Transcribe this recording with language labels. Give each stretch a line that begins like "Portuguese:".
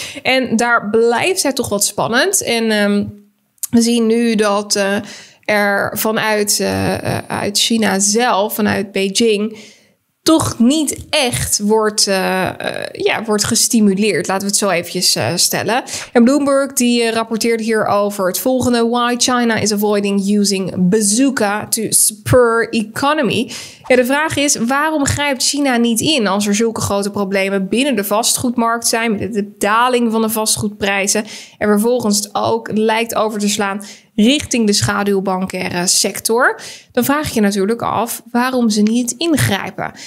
Dutch: En daar blijft het toch wat spannend. En we zien nu dat er vanuit uit China zelf, vanuit Beijing, toch niet echt wordt gestimuleerd. Laten we het zo eventjes stellen. En Bloomberg die rapporteert hierover het volgende.
English: Why China is avoiding using bazooka to spur economy.
Dutch: Ja, de vraag is, waarom grijpt China niet in als er zulke grote problemen binnen de vastgoedmarkt zijn, met de daling van de vastgoedprijzen, en vervolgens ook lijkt over te slaan richting de schaduwbankaire sector, dan vraag je natuurlijk af waarom ze niet ingrijpen.